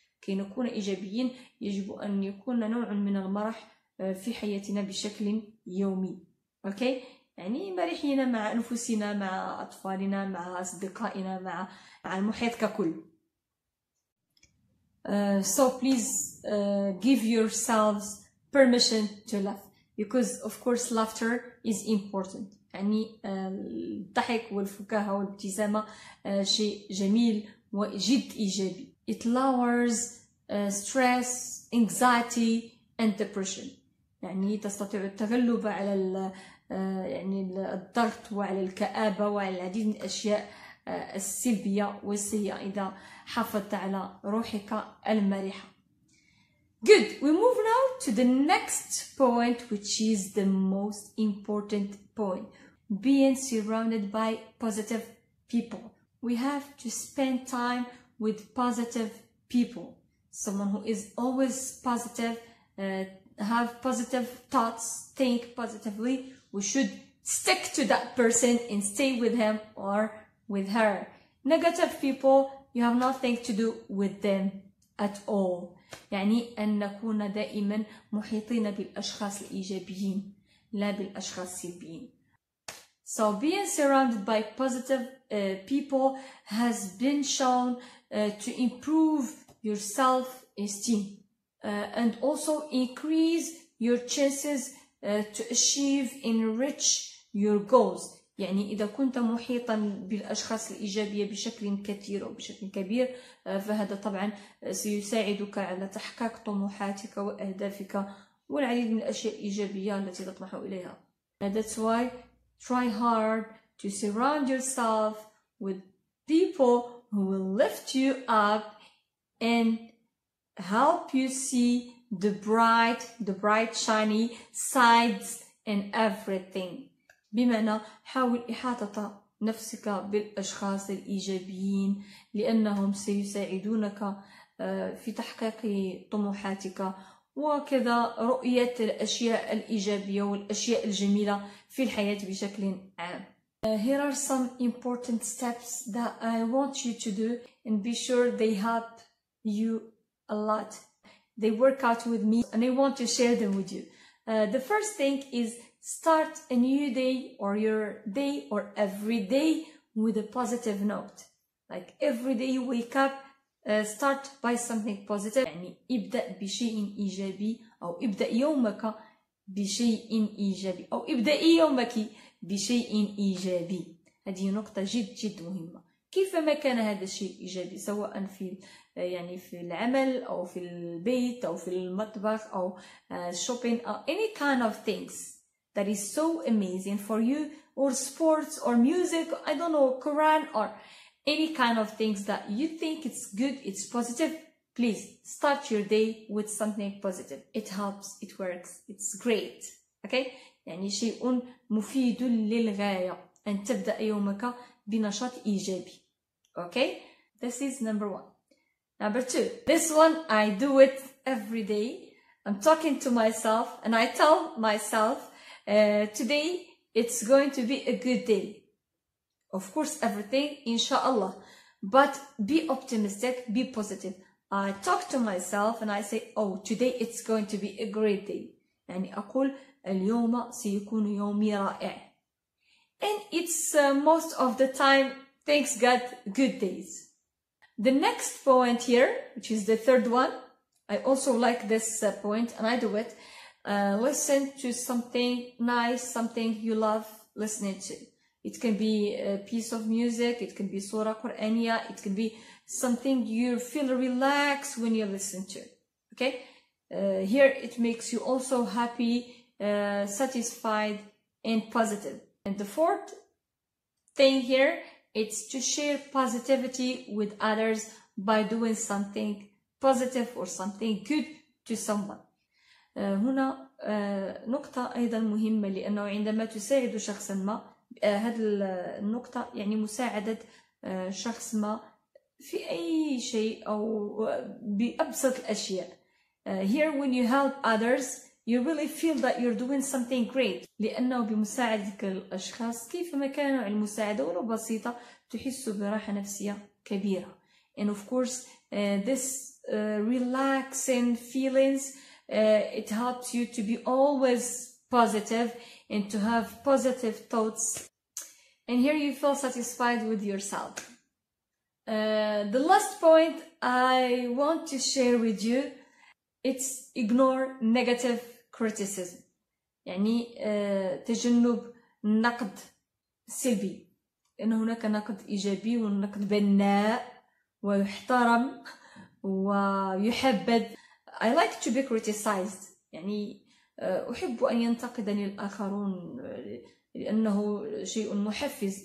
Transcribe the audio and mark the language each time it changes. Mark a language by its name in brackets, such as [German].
[Arabic] كي نكون إيجابيين يجب أن يكون نوع من المرح في حياتنا بشكل يومي. أوكي؟ يعني مرحينا مع أنفسنا، مع أطفالنا، مع أصدقائنا، مع المحيط ككل. [English] So please give yourselves permission to laugh, because of course laughter is important. [Arabic] يعني الضحك والفكاهة والابتسامة شيء جميل وجد إيجابي. [English] It lowers stress, anxiety and depression. [Arabic] يعني تستطيع التغلب على يعني الضغط وعلى الكآبة وعلى العديد من الأشياء السلبية والسيئة إذا حافظت على روحك المرحة. [English] Good, we move now to the next point, which is the most important point. Being surrounded by positive people. We have to spend time with positive people. Someone who is always positive, have positive thoughts, think positively, we should stick to that person and stay with him or with her. Negative people, you have nothing to do with them at all. [Arabic] يعني أن نكون دائما محيطين بالأشخاص الإيجابيين لا بالأشخاص السلبيين. [English] So being surrounded by positive people has been shown to improve your self-esteem. And also increase your chances to achieve and reach your goals. [Arabic] يعني إذا كنت محيطا بالأشخاص الإيجابية بشكل كثير أو بشكل كبير فهذا طبعا سيساعدك على تحقيق طموحاتك وأهدافك والعديد من الأشياء الإيجابية التي تطمح إليها. [English] And that's why try hard to surround yourself with people who will lift you up and help you see the bright shiny sides in everything. [Arabic] بمعنى حاول إحاطة نفسك بالأشخاص الإيجابيين لأنهم سيساعدونك في تحقيق طموحاتك وكذا رؤية الأشياء الإيجابية والأشياء الجميلة في الحياة بشكل عام. [English] Here are some important steps that I want you to do and be sure they help you a lot. They work out with me and I want to share them with you. The first thing is start a new day or your day or every day with a positive note. Like every day you wake up, start by something positive. [Arabic] يعني ابدأ بشيء إيجابي أو ابدأ يومك بشيء إيجابي أو ابدأ يومك بشيء إيجابي. هذه نقطة جد مهمة. كيفما كان هذا الشيء إيجابي سواء في يعني في العمل أو في البيت أو في المطبخ أو [English] shopping or any kind of things that is so amazing for you or sports or music, I don't know, Quran or any kind of things that you think it's good, it's positive, please start your day with something positive. It helps, it works, it's great. [Arabic] Okay? يعني شيء مفيد للغاية. أن تبدأ يومك بنشاط إيجابي. [English] Okay? This is number one. Number two. This one, I do it every day. I'm talking to myself and I tell myself, today it's going to be a good day. Of course, everything, inshallah. But be optimistic, be positive. I talk to myself and I say, oh, today it's going to be a great day. [Arabic] يعني أقول اليوم سيكون يومي رائع. [English] And it's most of the time, thanks God, good days. The next point here, which is the third one, I also like this point and I do it. Listen to something nice, something you love listening to. It can be a piece of music, it can be Surah Qur'aniya, it can be something you feel relaxed when you listen to. Okay? Here it makes you also happy, satisfied and positive. And the fourth thing here, it's to share positivity with others by doing something positive or something good to someone. [Arabic] هنا نقطة أيضا مهمة لأنه عندما تساعد شخصا ما هذه النقطة يعني مساعدة شخص ما في أي شيء أو بأبسط الأشياء. [English] Here when you help others, you really feel that you're doing something great. [Arabic] لأنه بمساعدك الأشخاص كيفما كان المساعدة ولو بسيطة تحس براحة نفسية كبيرة. [English] And of course, this relaxing feelings, it helps you to be always positive and to have positive thoughts. And here you feel satisfied with yourself. The last point I want to share with you, it's ignore negative criticism. [Arabic] يعني تجنب نقد سلبي. إن هناك نقد إيجابي ونقد بناء ويحترم ويحبد. [English] I like to be criticized. [Arabic] يعني أحب أن ينتقدني الآخرون لأنه شيء محفز.